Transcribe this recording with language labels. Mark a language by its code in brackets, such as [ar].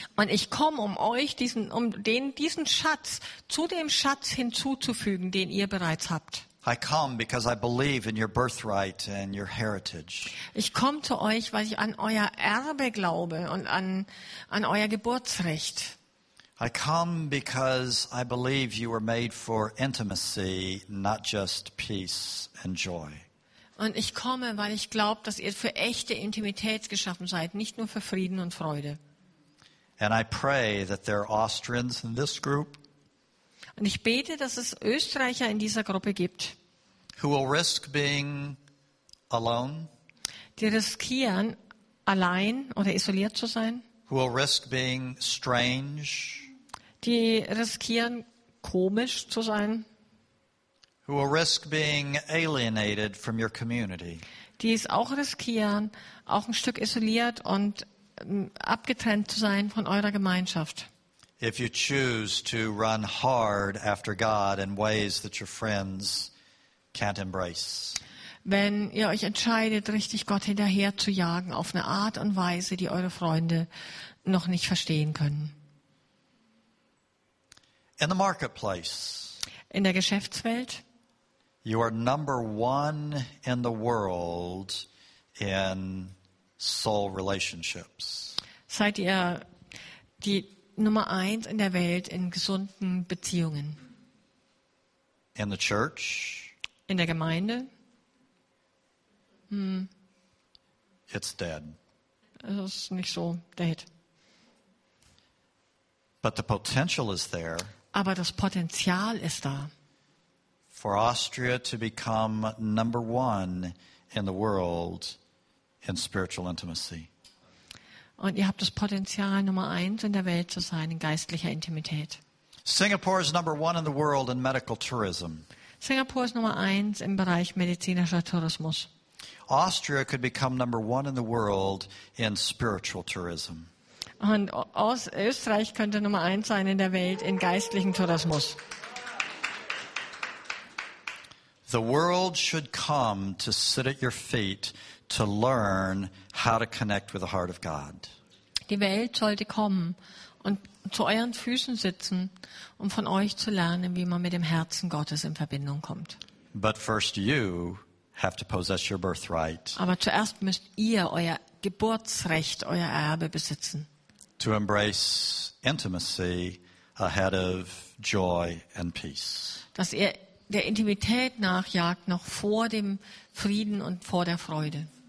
[de] Und ich komme, um euch diesen Schatz zu dem Schatz hinzuzufügen, den ihr bereits habt. [en] I come because I believe in your birthright and your heritage. [de] Ich komme zu euch, weil ich an euer Erbe glaube und an euer Geburtsrecht. [en] I come because I believe you were made for intimacy, not just peace and joy. [de] Und ich komme, weil ich glaube, dass ihr für echte Intimität geschaffen seid, nicht nur für Frieden und Freude. [en] And I pray that there are Austrians in this group. [de] Und ich bete, dass es Österreicher in dieser Gruppe gibt, [en] who will risk being alone, [de] die riskieren, allein oder isoliert zu sein, [en] who will risk being strange, [de] die riskieren, komisch zu sein, [en] who will risk being alienated from your community, [de] die es auch riskieren, auch ein Stück isoliert und abgetrennt zu sein von eurer Gemeinschaft. [en] If you choose to run hard after God in ways that your friends can't embrace. [de] Wenn ihr euch entscheidet, richtig Gott hinterher zu jagen, auf eine Art und Weise, die eure Freunde noch nicht verstehen können. [en] In the marketplace. [de] In der Geschäftswelt. [en] You are number one in the world in soul relationships. [de] Seid ihr die Nummer eins in der Welt in gesunden Beziehungen. [en] In the church. [de] In der Gemeinde. [en] It's dead. [de] Es ist nicht so dead. [en] But the potential is there. [de] Aber das Potenzial ist da. [en] For Austria to become number one in the world in spiritual intimacy. [de] Und ihr habt das Potenzial, Nummer eins in der Welt zu sein, in geistlicher Intimität. [en] Singapore is number one in the world in medical tourism. [de] Singapur ist Nummer eins im Bereich medizinischer Tourismus. [en] Austria could become number one in the world in spiritual tourism. [de] Und Österreich könnte Nummer eins sein in der Welt in geistlichen Tourismus. [en] The world should come to sit at your feet to learn how to connect with the heart of God. [de] Die Welt sollte kommen und zu euren Füßen sitzen, um von euch zu lernen, wie man mit dem Herzen Gottes in Verbindung kommt. [en] But first you have to possess your birthright. [de] Aber zuerst müsst ihr euer Geburtsrecht, euer Erbe besitzen. [en] To embrace intimacy ahead of joy and peace. [de] Dass ihr der Intimität nachjagt, noch vor dem Frieden und vor der Freude.